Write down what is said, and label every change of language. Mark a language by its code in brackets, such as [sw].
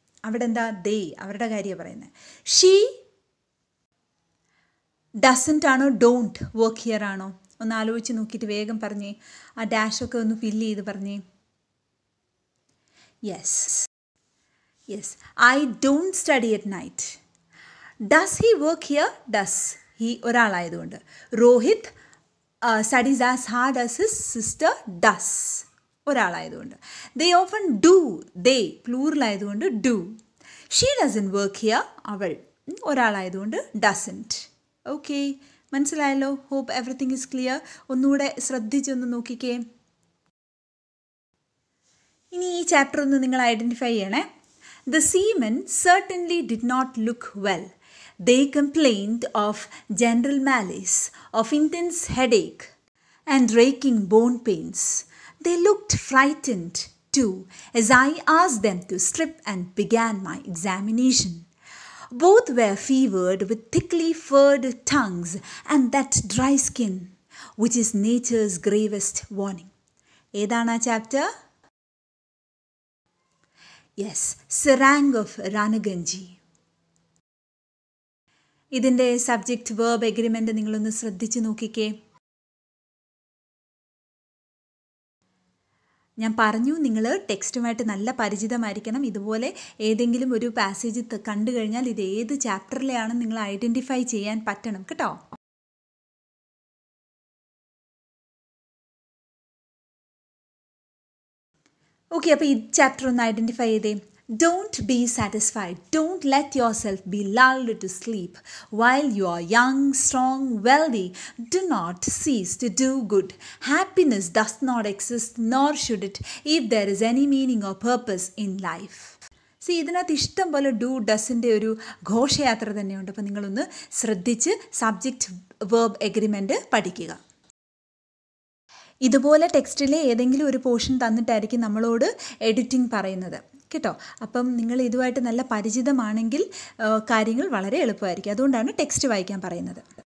[ml] അവിടെ എന്താ ദേ, അവരുടെ കാര്യം പറയുന്നത്. ഷീ ഡസൻ്റ് ആണോ [en] don't work here [ml] ആണോ ഒന്ന് ആലോചിച്ച് നോക്കിയിട്ട് വേഗം പറഞ്ഞേ. ആ ഡാഷൊക്കെ ഒന്ന് ഫില്ല് ചെയ്ത് പറഞ്ഞേ. [en] Yes yes, I don't study at night. Does he work here, does he [ml] ഒരാളായതുകൊണ്ട്. [en] Rohit studies as hard as his sister does. [ml] ഒരാളായതുകൊണ്ട്. [en] they often do, [ml] they പ്ലൂറലായതുകൊണ്ട് do. [en] she doesn't work here [ml] അവൾ ഒരാളായതുകൊണ്ട് ഡസൻറ്റ് ഓക്കെ മനസ്സിലായല്ലോ hope everything is clear ഒന്നുകൂടെ ശ്രദ്ധിച്ചൊന്ന് നോക്കിക്കേ ഇനി ഈ chapter ഒന്ന് നിങ്ങൾ identify ചെയ്യണേ [en] The seaman certainly did not look well They complained of general malaise, of intense headache, and raking bone pains. They looked frightened, too, as I asked them to strip and began my examination. Both were fevered with thickly furred tongues and that dry skin, which is nature's gravest warning. Edana chapter? Yes, Sarang of Ranaganji. [ml] ഇതിൻ്റെ subject verb agreement നിങ്ങളൊന്ന് ശ്രദ്ധിച്ച് നോക്കിക്കേ ഞാൻ പറഞ്ഞു നിങ്ങൾ ടെക്സ്റ്റുമായിട്ട് നല്ല പരിചിതമായിരിക്കണം ഇതുപോലെ ഏതെങ്കിലും ഒരു പാസേജ് കണ്ടു കഴിഞ്ഞാൽ ഇത് ഏത് ചാപ്റ്ററിലെയാണ് നിങ്ങൾ ഐഡൻറ്റിഫൈ ചെയ്യാൻ പറ്റണം കേട്ടോ ഓക്കെ അപ്പോൾ ഈ ചാപ്റ്റർ ഒന്ന് ഐഡൻറ്റിഫൈ ചെയ്തേ [en] Don't be satisfied. Don't let yourself be lulled to sleep. While you are young, strong, wealthy, do not cease to do good. Happiness does not exist, nor should it, if there is any meaning or purpose in life. [ml] See, ഇതിനകത്ത് ഇഷ്ടം പോലെ do ഡസിൻ്റെ ഒരു ഘോഷയാത്ര തന്നെയുണ്ട് അപ്പോൾ നിങ്ങളൊന്ന് ശ്രദ്ധിച്ച് subject verb agreement പഠിക്കുക ഇതുപോലെ ടെക്സ്റ്റിലെ ഏതെങ്കിലും ഒരു പോർഷൻ തന്നിട്ടായിരിക്കും നമ്മളോട് എഡിറ്റിംഗ് പറയുന്നത് കേട്ടോ അപ്പം നിങ്ങൾ ഇതുമായിട്ട് നല്ല പരിചിതമാണെങ്കിൽ കാര്യങ്ങൾ വളരെ എളുപ്പമായിരിക്കും അതുകൊണ്ടാണ് ടെക്സ്റ്റ് വായിക്കാൻ പറയുന്നത്